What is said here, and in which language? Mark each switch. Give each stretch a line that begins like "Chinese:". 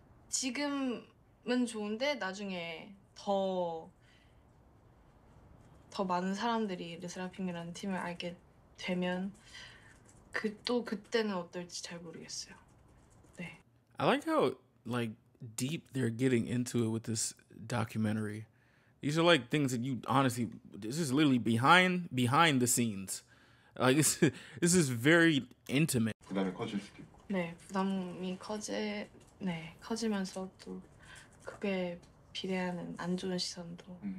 Korean: 지금은 좋은데 나중에 더 많은 사람들이 르세라핌이라는 팀을 알게 되면 또 그때는 어떨지 잘 모르겠어요. 네.
English: I like how like deep they're getting into it with this documentary. These are like things that you honestly, this is literally behind the scenes. Like this is very intimate.
Korean: 부담이 커질 수 있고. 네, 부담이 커지면서 또 그게 비례하는 안 좋은 시선도.